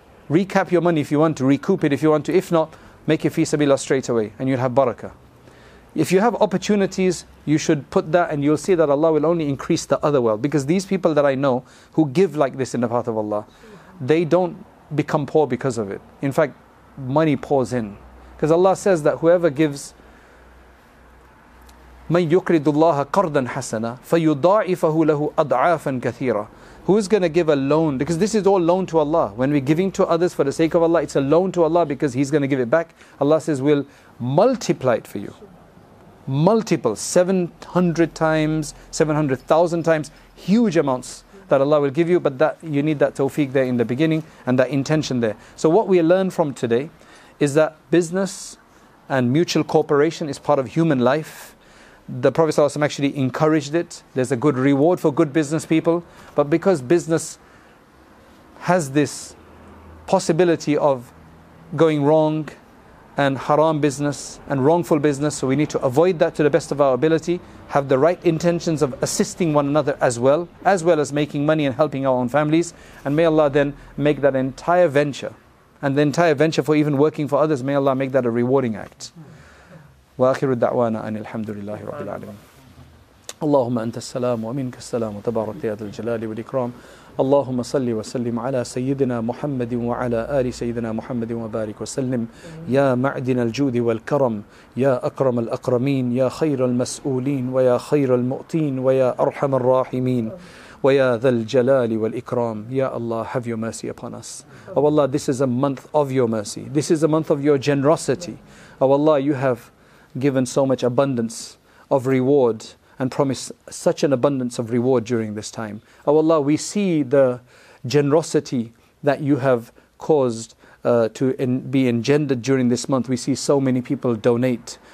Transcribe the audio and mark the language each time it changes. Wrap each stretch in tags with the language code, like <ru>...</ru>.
<en>Recap your money if you want to, recoup it if you want to. If not, make your fi sabilillah straight away and you'll have barakah. If you have opportunities, you should put that and you'll see that Allah will only increase the other world. Because these people that I know who give like this in the path of Allah, they don't become poor because of it. In fact, money pours in. Because Allah says that whoever gives,</en> <ar>مَنْ يُقْرِدُ اللَّهَ قَرْضًا حَسَنًا فَيُضَاعِفَهُ لَهُ أَضْعَافًا كَثِيرًا.</ar> <en>Who is going to give a loan? Because this is all loan to Allah. When we're giving to others for the sake of Allah, it's a loan to Allah because He's going to give it back. Allah says, we'll multiply it for you. Multiple, 700 times, 700,000 times, huge amounts that Allah will give you. But that you need that tawfiq there in the beginning and that intention there. So what we learn from today is that business and mutual cooperation is part of human life. The Prophet ﷺ actually encouraged it. There's a good reward for good business people. But because business has this possibility of going wrong and haram business and wrongful business, so we need to avoid that to the best of our ability, have the right intentions of assisting one another as well as making money and helping our own families. And may Allah then make that entire venture, and the entire venture for even working for others, may Allah make that a rewarding act.</en> <ar>وآخر الدعوانا أن الحمد لله رب العالمين اللهم أنت السلام ومنك السلام تبارك يا ذا الجلال والإكرام اللهم صل وسلم على سيدنا محمد وعلى آل سيدنا محمد وبارك وسلم يا معدن الجود والكرم يا أكرم الأكرمين يا خير المسؤولين ويا خير المؤتين ويا أرحم الراحمين ويا ذا الجلال والإكرام يا الله</ar> <en>have your mercy upon us. Oh Allah, this is a month of your mercy. This is a month of your generosity. Oh Allah, you have given so much abundance of reward and promise such an abundance of reward during this time. Oh Allah, we see the generosity that you have caused be engendered during this month. We see so many people donate.</en>